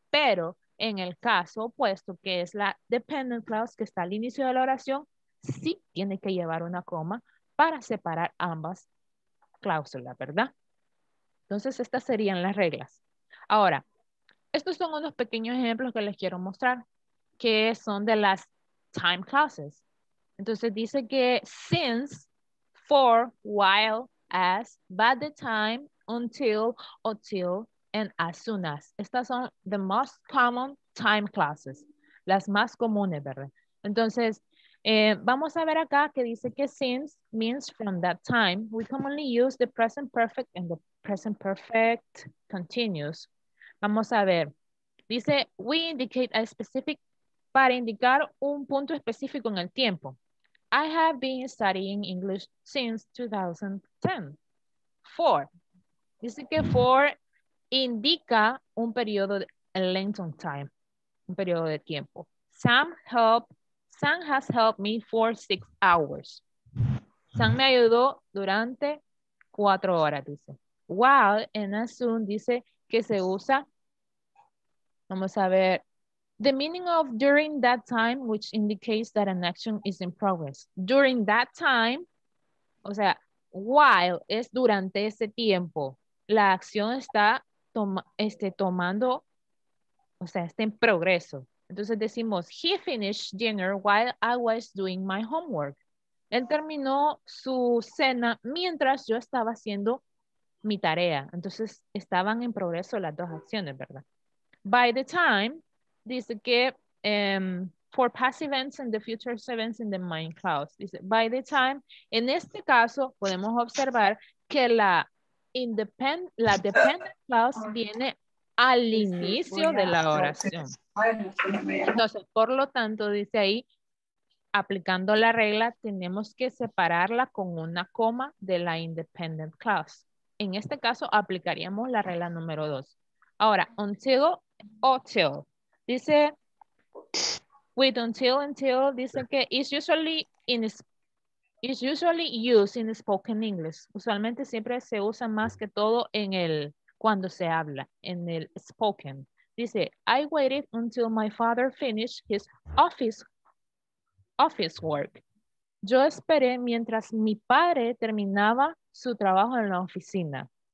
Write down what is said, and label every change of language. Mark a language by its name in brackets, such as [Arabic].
[Spanish] Pero en el caso opuesto, que es la dependent clause que está al inicio de la oración, sí tiene que llevar una coma para separar ambas cláusulas, ¿verdad? Entonces, estas serían las reglas. Ahora, estos son unos pequeños ejemplos que les quiero mostrar, que son de las time clauses. Entonces, dice que [English] since, for, while, as, by the time, until, and as soon as. [Spanish] Estas son [English] the most common time clauses, [Spanish] las más comunes, ¿verdad? Entonces, vamos a ver acá que dice que [English] since means from that time. We commonly use the present perfect and the present perfect continuous. [Spanish] Vamos a ver, Dice, [English] we indicate a specific, [Spanish] para indicar un punto específico en el tiempo. [English] I have been studying English since 2010. [Spanish] For, dice que for indica un periodo, [English] a length of time, [Spanish] un periodo de tiempo. [English] Sam has helped me for 6 hours. [Spanish] Sam me ayudó durante 4 horas, dice. [English] While en assume [Spanish] dice que se usa, vamos a ver, [English] the meaning of during that time, which indicates that an action is in progress. During that time, [Spanish] o sea, while es durante ese tiempo, la acción está tomando, o sea, está en progreso. Entonces decimos, [English] he finished dinner while I was doing my homework. [Spanish] Él terminó su cena mientras yo estaba haciendo mi tarea. Entonces estaban en progreso las dos acciones, ¿verdad? [English] By the time, [Spanish] dice que [English] for passive events and the future events in the mind clause. [Spanish] Dice, by the time, en este caso podemos observar que la dependent clause viene al inicio de la oración. Entonces, por lo tanto, dice ahí, aplicando la regla, tenemos que separarla con una coma de la independent clause. En este caso, aplicaríamos la regla número 2. Ahora, until o till. [English] Dice, with until, [Spanish] dice que [English] it's usually used in spoken English. [Spanish] Usualmente siempre se usa más que todo en el, cuando se habla, en el spoken. Dice, [English] I waited until my father finished his office work. [Spanish] Yo esperé mientras mi padre terminaba su trabajo en la oficina.